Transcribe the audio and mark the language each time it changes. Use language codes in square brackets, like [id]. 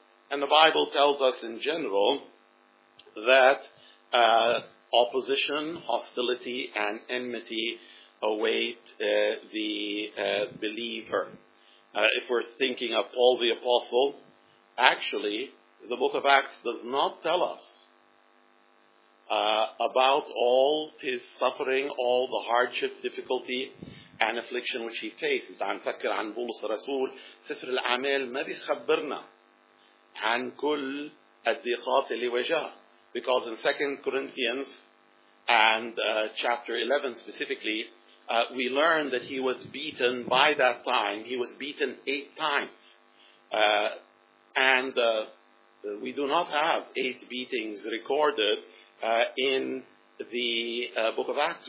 [en] And the Bible tells us in general that opposition, hostility, and enmity await the believer. If we're thinking of Paul the Apostle, actually, the book of Acts does not tell us about all his suffering, all the hardship, difficulty, and affliction which he faces. [ar] عم فكر عن بولس الرسول, سفر الأعمال ما بيخبرنا عن كل الضيقات اللي واجهها. [en] Because in 2 Corinthians and chapter 11 specifically, we learn that he was beaten by that time. He was beaten 8 times. And we do not have 8 beatings recorded in the book of Acts.